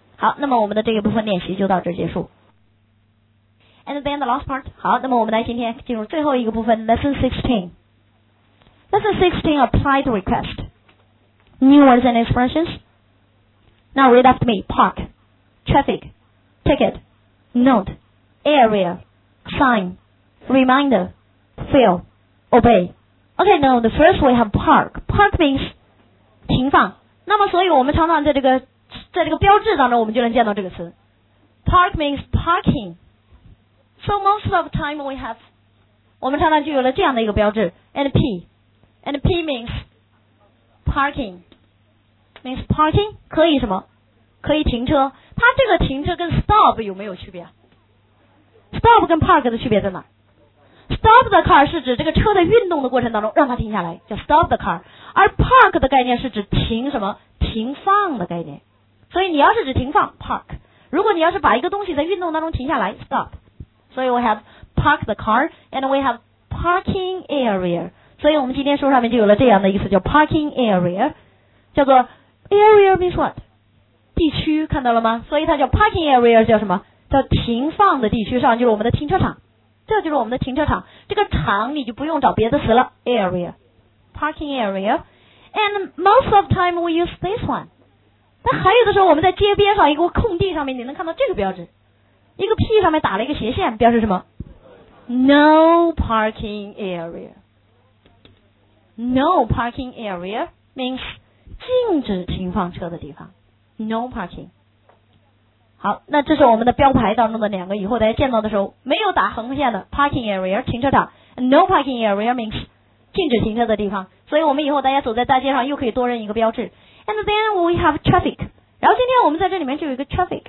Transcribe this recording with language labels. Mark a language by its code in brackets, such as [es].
[zh] 好，那么我们的这一部分练习就到这结束。 [en] And then the last part。 [zh] 好，那么我们来今天进入最后一个部分， Lesson 16。 [en] Lesson 16 Applied Request。 New words and expressions. Now read after me. Park, traffic, ticket, note, area, sign, reminder, fail, obey. Okay, now the first we have park. Park means 停放。 [zh] 那么所以我们常常在这个标志当中我们就能见到这个词。 [en] Park means parking. So most of the time we have, [zh] 我们常常就有了这样的一个标志。 [en] And P. And P means parking. Means parking [zh] 可以什么？可以停车。它这个停车跟 stop 有没有区别？Stop 跟 park 的区别在哪？ [en] Stop the car [zh] 是指这个车在运动的过程当中让它停下来，叫 [en] stop the car。 [zh] 而 park 的概念是指停什么？停放的概念。所以你要是指停放 park， 如果你要是把一个东西在运动当中停下来 stop。 [en] 所以 we have park the car and we have parking area。 [zh] 所以我们今天书上面就有了这样的意思，叫 parking area，叫做 [en] area means what? [zh] 地区，看到了吗？所以它叫 parking area， 叫什么？叫停放的地区，上就是我们的停车场，这就是我们的停车场。这个场你就不用找别的词了， area， parking area。 [en] And most of time we use this one。 [zh] 但还有的时候我们在街边上一个空地上面你能看到这个标志，一个 P 上面打了一个斜线，标志什么？ [en] No parking area。 No parking area means [zh] 禁止停放车的地方。 [en] No parking。 [zh] 好，那这是我们的标牌当中的两个，以后大家见到的时候没有打横线的 parking area 停车场。 [en] No parking area means [zh] 禁止停车的地方。所以我们以后大家走在大街上又可以多认一个标志。 [en] And then we have traffic。 [zh] 然后今天我们在这里面就有一个 traffic。